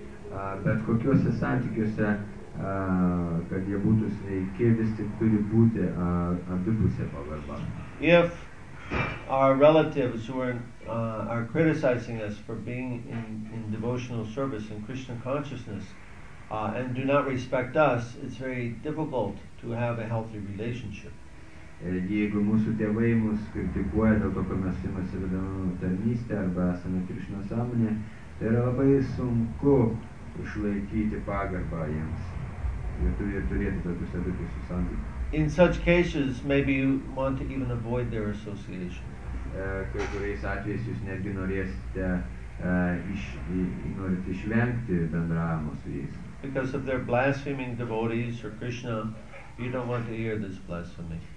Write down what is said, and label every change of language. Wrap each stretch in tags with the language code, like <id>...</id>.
<lt>Bet kokiuose santykiuose, kad jie būtų sveiki, vis tik turi būti abipusė pagarba.</lt> <en>If our relatives who are criticizing us for being in devotional service and Krishna consciousness and do not respect us, it's very difficult to have a healthy relationship.</en> <lt>Jeigu mūsų tėvai mus kritikuoja dėl to, kad mes jums įvedame tarnystę arba esame Krishna sąmonė, tai yra labai sunku išlaikyti pagarbą jiems.</lt> <en>In such cases, maybe you want to even avoid their association.</en> <lt>Kai kuriais atvejais jūs netgi norėsite norite išvengti bendravimo su jais.</lt> <en>Because of their blaspheming devotees or Krishna, you don't want to hear this blasphemy.</en>